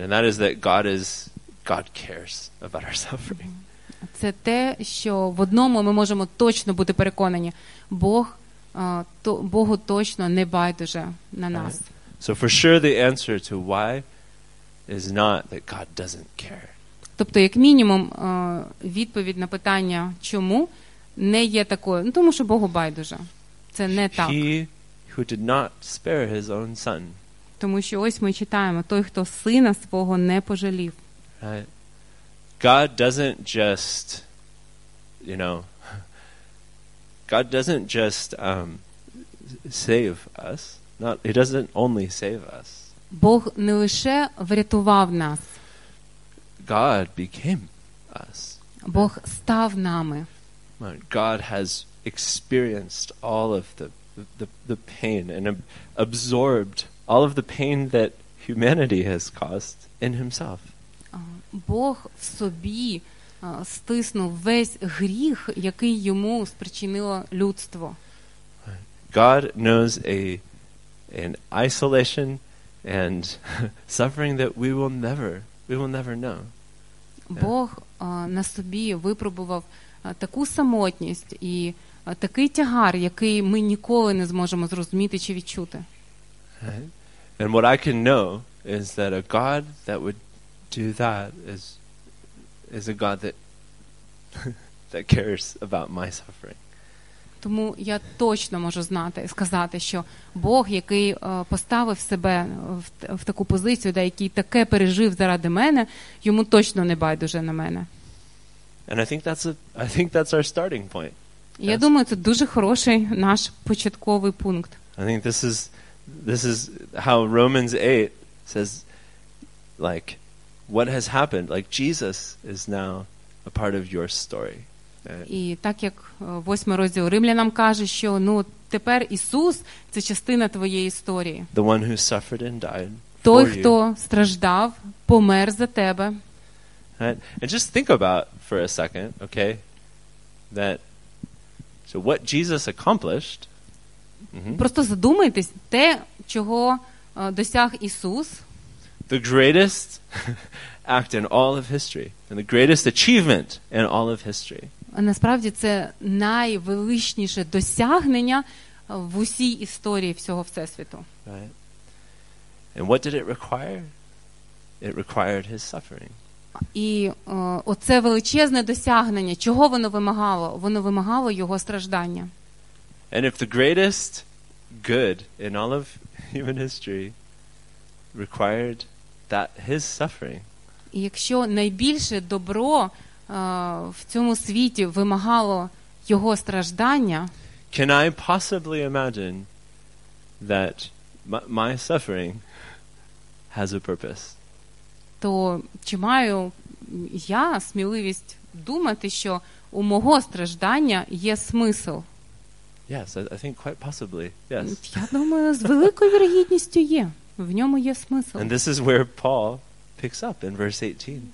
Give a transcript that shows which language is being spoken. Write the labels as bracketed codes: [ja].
[en] And that is that God cares about our suffering. [uk] Це те, що в одному ми можемо точно бути переконані. Бог то Богу точно не байдуже на нас. [en] So for sure the answer to why is not that God doesn't care. [uk] Тобто, як мінімум, відповідь на питання чому не є такою, ну, тому що Богу байдуже. Це не так. [en] He who did not spare his own son. [uk] Тому що ось ми читаємо, той, хто сина свого не пожалів. [en] God doesn't just, you know, God doesn't just save us. Not he doesn't only save us. [uk] Бог не лише врятував нас. [en] God became us. [uk] Бог став нами. [en] God has experienced all of the pain and absorbed all of the pain that humanity has caused in himself. [uk] Бог в собі стиснув весь гріх, який йому спричинило людство. [en] God knows an isolation and suffering that we will never know. [uk] Бог на собі випробував таку самотність і такий тягар, який ми ніколи не зможемо зрозуміти чи відчути. [en] And what I can know is that a God that would do that is a God that cares about my suffering. [uk] Тому я точно можу знати і сказати, що Бог, який поставив себе в таку позицію, да, який таке пережив заради мене, йому точно не байдуже на мене. [en] And I think that's our starting point. [uk] Я думаю, це дуже хороший наш початковий пункт. [en] I think this is how Romans 8 says, like, what has happened? Like, Jesus is now a part of your story. [uk] І так як 8 розділ Римлянам каже, що, ну, тепер Ісус – це частина твоєї історії. [en] The one who suffered and died [uk] той, хто страждав, помер за тебе. [en] And just think about for a second, okay? That so what Jesus accomplished. [uk] Просто задумайтесь, те, чого досяг Ісус. [en] The greatest act in all of history and the greatest achievement in all of history. [uk] Насправді це найвеличніше досягнення в усій історії всього Всесвіту. [en] Right. And what did it require? It required his suffering. [uk] І оце величезне досягнення, чого воно вимагало? Воно вимагало його страждання. [en] And if the greatest good in all of human history required that his suffering. [uk] І якщо найбільше добро в цьому світі вимагало його страждання, [en] can I possibly imagine that my suffering has a purpose? [uk] То чи маю я сміливість думати, що у мого страждання є смисл? [en] Yes, I think quite possibly. Yes. [uk] Я думаю, з великою вірогідністю є. В ньому є смисл. [en] And this is where Paul picks up in verse 18.